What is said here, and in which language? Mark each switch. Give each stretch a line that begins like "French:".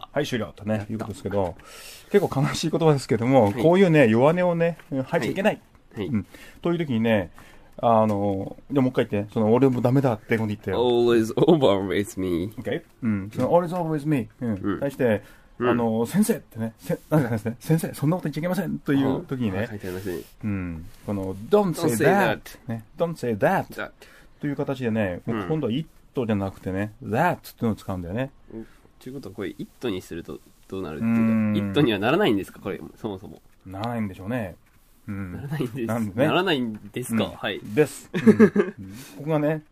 Japanese: ね、はい、終了とね、いうことですけど、結構悲しい言葉ですけども、はい、こういうね、弱音をね、吐いちゃいけない、はい、うん、という時にね、じゃあもう一回言って、その俺もダメだって言って、
English: All is over with me、
Japanese: OK、 うん、
English: All is over with me、
Japanese: うん、対して、先生ってね、なんかですね、先生、そんなこと言っちゃいけませんという時にね、書いてありますね、
English: うん、この、don't say that、ね、don't say that
Japanese: という形でね、もう今度は it じゃなくてね、that っていうのを使うんだよね。ということは、これ、it にするとどうなるっていうか、it にはならないんですか、これ、そもそも。ならないんでしょうね。ならないんですか、うん、はい、です、うん、ここがね、